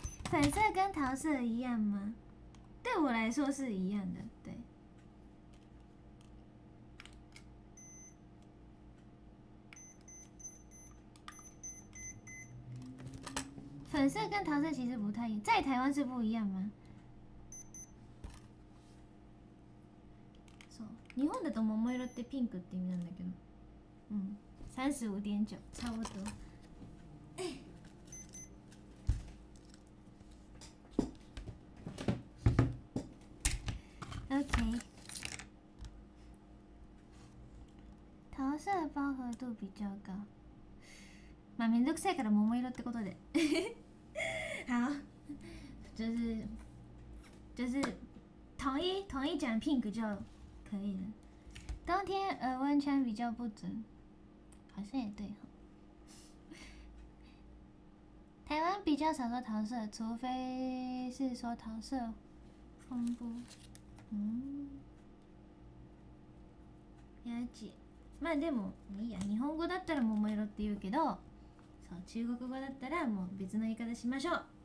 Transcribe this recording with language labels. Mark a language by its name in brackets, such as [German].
[Chinese] 粉色跟桃色一样吗？对我来说是一样的，对。粉色跟桃色其实不太一样，在台湾是不一样吗？ [Japanese] そう、日本だと桃色ってピンクって意味なんだけど。 [Chinese] 35.9、差不多。 OK， 桃色的饱和度比较高。 [Japanese] まあめんどくさいから桃色ってことで。 [Chinese] 好，就是统一讲 pink 就可以了。冬天耳温枪比较不准，好像也对哈。台湾比较少说桃色，除非是说桃色风波。やじ。 [Japanese] まあでもいいや、日本語だったら桃色って言うけど、そう、中国語だったらもう別の言い方しましょう。